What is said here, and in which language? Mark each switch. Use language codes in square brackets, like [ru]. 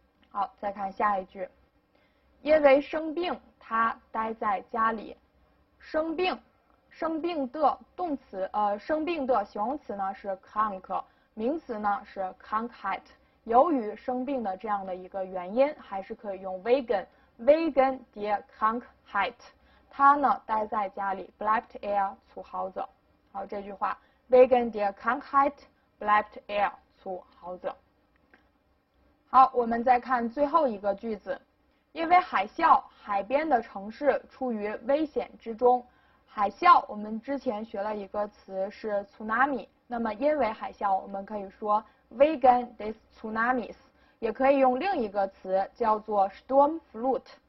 [zh] 好，再看下一句，因为生病他待在家里。生病，生病的动词，生病的形容词呢是 krank， 名词呢是 krankheit。由于生病的这样的一个原因，还是可以用 [de] wegen der Krankheit。 [zh] 他呢待在家里 ， [de] bleibt er zu Hause。 [zh] 好，这句话 [de] wegen der Krankheit bleibt er zu Hause。 [zh] 好，我们再看最后一个句子，因为海啸，海边的城市处于危险之中。海啸，我们之前学了一个词是 tsunami， 那么因为海啸，我们可以说 [de] wegen des tsunamis， [zh] 也可以用另一个词叫做 Sturmflut。